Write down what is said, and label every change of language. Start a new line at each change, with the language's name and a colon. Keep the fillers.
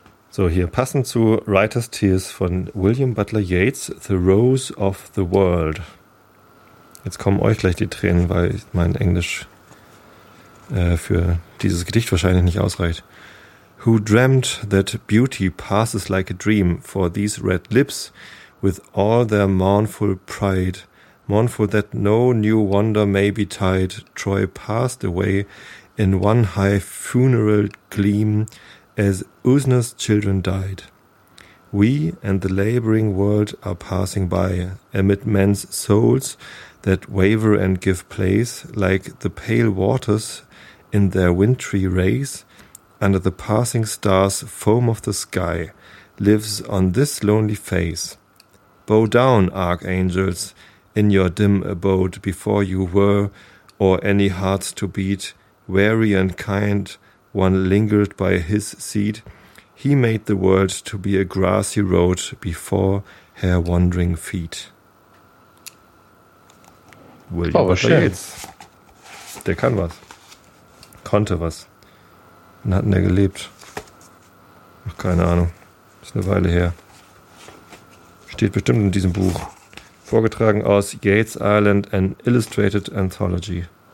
German: So, hier passend zu Writer's Tears von William Butler Yeats, The Rose of the World. Jetzt kommen euch gleich die Tränen, weil mein Englisch äh, für dieses Gedicht wahrscheinlich nicht ausreicht.
English: Who dreamt that beauty passes like a dream for these red lips with all their mournful pride, mournful that no new wonder may betide, Troy passed away in one high funeral gleam as Usna's children died. We and the laboring world are passing by amid men's souls that waver and give place like the pale waters in their wintry race under the passing stars foam of the sky lives on this lonely face bow down archangels in your dim abode before you were or any hearts to beat wary and kind one lingered by his seed he made the world to be a grassy road before her wandering feet William
German: aber Butler schön. Yeats. Der kann was. Konnte was. Wann hat denn der gelebt? Ach, keine Ahnung. Ist eine Weile her. Steht bestimmt in diesem Buch. Vorgetragen aus Yates Island, an Illustrated Anthology.